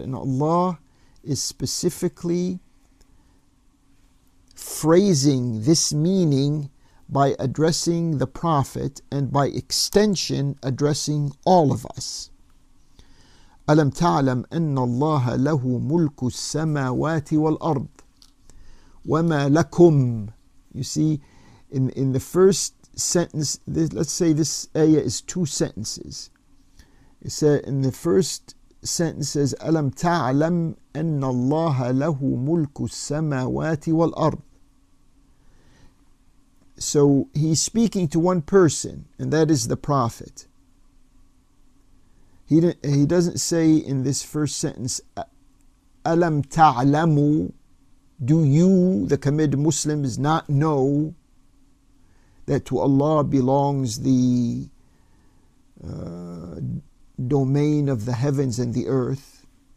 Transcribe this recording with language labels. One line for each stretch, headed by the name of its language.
English: And Allah is specifically phrasing this meaning by addressing the Prophet and by extension addressing all of us.
Arabic: أَلَمْ تَعْلَمْ أَنَّ اللَّهَ لَهُ مُلْكُ السَّمَاوَاتِ وَالْأَرْضِ وَمَا لَكُمْ.
English: You see, in the first sentence, this, let's say this ayah is two sentences. It said in the first sentence,
Arabic: أَلَمْ تَعْلَمْ أَنَّ اللَّهَ لَهُ مُلْكُ السَّمَاوَاتِ وَالْأَرْضِ.
English: So he's speaking to one person, and that is the Prophet. He doesn't say in this first sentence,
Arabic: أَلَمْ تَعْلَمُ,
English: do you, the committed Muslims, not know that to Allah belongs the domain of the heavens and the earth?